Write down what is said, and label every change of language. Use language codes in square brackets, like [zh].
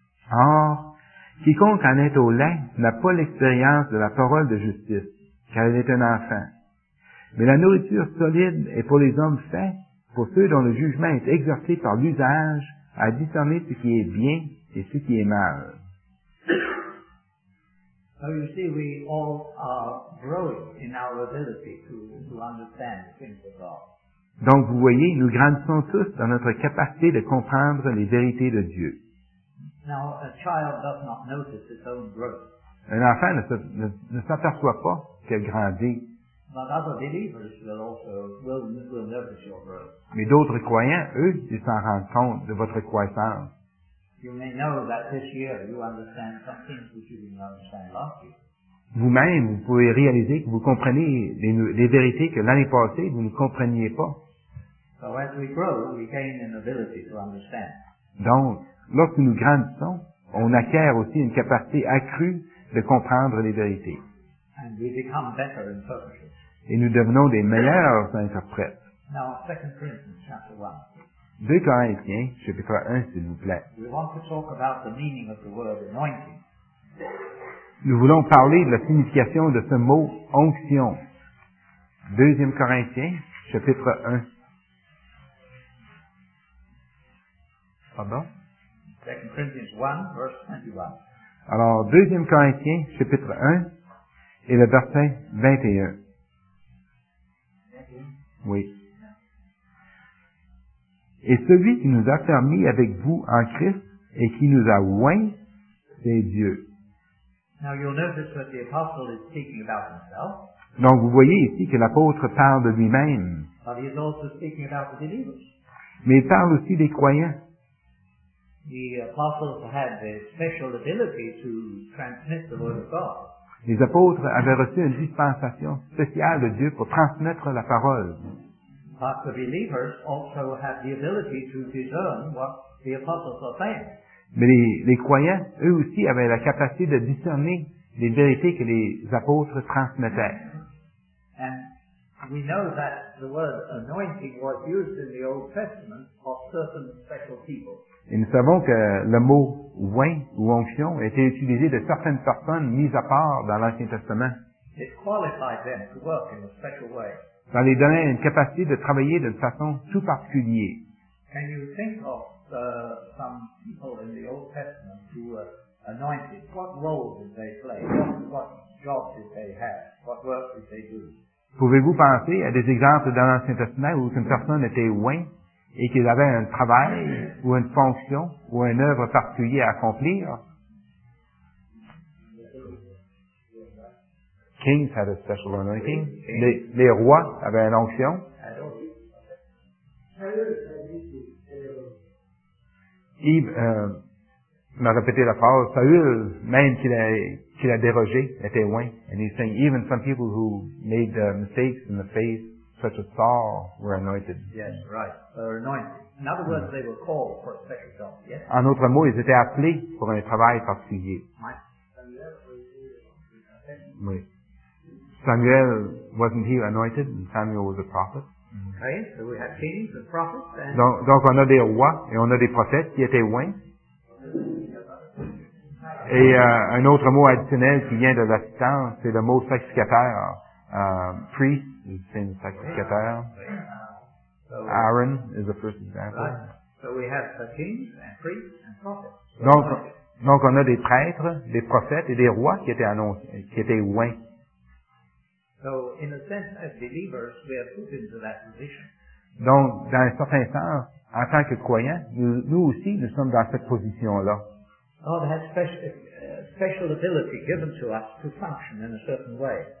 [fr] Or, quiconque en est au lait n'a pas l'expérience de la parole de justice, car elle est un enfant. Mais la nourriture solide est pour les hommes faits, pour ceux dont le jugement est exercé par l'usage à discerner ce qui est bien et ce qui est mal. [en] Well, you see, we all are growing in our ability to understand things of God. [fr] Donc, vous voyez, nous grandissons tous dans notre capacité de comprendre les vérités de Dieu. [en] Now, a child does not notice its own growth. [fr] Un enfant ne s'aperçoit pas qu'il grandit. [en] But other believers will notice your growth. [fr] Mais d'autres croyants, eux, ils s'en rendent compte de votre croissance. [en] You may know that this year you understand some things which you didn't understand last year. [fr] Vous-même, vous pouvez réaliser que vous comprenez les vérités que l'année passée, vous ne compreniez pas. [en] So as we grow, we gain an ability to understand. [fr] Donc, lorsque nous grandissons, on acquiert aussi une capacité accrue de comprendre les vérités. [en] And we become better interpreters. [fr] Et nous devenons des meilleurs interprètes. [en] Now, 2 Corinthians chapter 1. [fr] 2 Corinthiens, chapitre 1, s'il vous plaît. [en] We want to talk about the meaning of the word anointing. [fr] Nous voulons parler de la signification de ce mot « onction ». 2 Corinthiens, chapitre 1. Pardon? 2 Corinthiens 1, verset 21. Alors, 2 Corinthiens, chapitre 1, et le verset 21. Oui. Et celui qui nous a fermés avec vous en Christ et qui nous a oints, c'est Dieu. [en] Now you'll notice that the apostle is speaking about himself. [fr] Donc vous voyez ici que l'apôtre parle de lui-même. [en] But he is also speaking about the believers. [fr] Mais il parle aussi des croyants. [en] The apostles had the special ability to transmit the word of God. [fr] Les apôtres avaient reçu une dispensation spéciale de Dieu pour transmettre la parole. [en] But the believers also have the ability to discern what the apostles are saying. [fr] Mais les croyants, eux aussi, avaient la capacité de discerner les vérités que les apôtres transmettaient. [en] And we know that the word anointing was used in the Old Testament for certain special people. [fr] Et nous savons que le mot oint ou onction était utilisé de certaines personnes mises à part dans l'Ancien Testament. [en] It qualified them to work in a special way. [fr] Ça les donnait une capacité de travailler d'une façon tout particulière. [en] Can you think of some people in the Old Testament who were anointed? What role did they play? What job did they have? What work did they do? [fr] Pouvez-vous penser à des exemples dans l'Ancien Testament où une personne était oint et qu'il avait un travail ou une fonction ou une œuvre particulière à accomplir? [en] Kings had a special anointing. [fr] Les rois avaient une onction. Il m'a répété la phrase, Saül, même qu'il a dérogé, était loin. [en] And he's saying, even some people who made mistakes in the faith, such as Saul, were anointed. Yes, right. They were anointed. In other words, they were called for a special job. Yes? [fr] En autre mot, ils étaient appelés pour un travail particulier. Oui. [en] Samuel wasn't he anointed, and Samuel was a prophet. Okay, so we have kings and prophets. And [fr] donc on a des rois et on a des prophètes qui étaient oints. Et un autre mot additionnel qui vient de l'assistance, c'est le mot sacrificateur. [en] Priest, [fr] c'est un sacrificateur. [en] Aaron is the first example. Right. So we have kings and priests and prophets. [fr] Donc on a des prêtres, des prophètes et des rois qui étaient oints. [en] So, in a sense, as believers, we are put into that position. [fr] Donc, dans un certain sens, en tant que croyants, nous aussi, nous sommes dans cette position-là. [en] God has special ability given to us to function in a certain way.